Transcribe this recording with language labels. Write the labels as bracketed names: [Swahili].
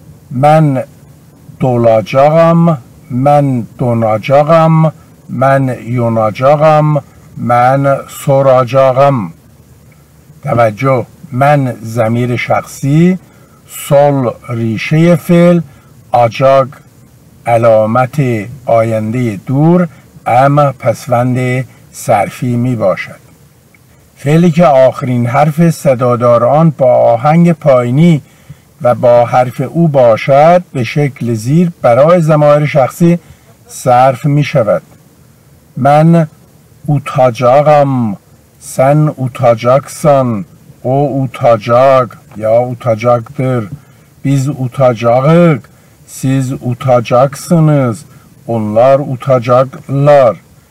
[Azerbaijani] من دولاجاقم، من دوناجاقم، من یوناجاقم، من سوراجاقم. [Persian] توجه، من ضمیر شخصی، سول ریشه فعل، آجاق علامت آینده دور، اما پسوند صرفی می باشد. فعلی که آخرین حرف صدادار آن با آهنگ پایینی و با حرف او باشد به شکل زیر برای ضمایر شخصی صرف می شود. [Azerbaijani] من اوتاجاقم، سن اوتاجاقسن، او اوتاجاق یا اوتاجاقدر، بیز اوتاجاقق، سیز اوتاجاقسنز، اونلار اوتاجاقلار.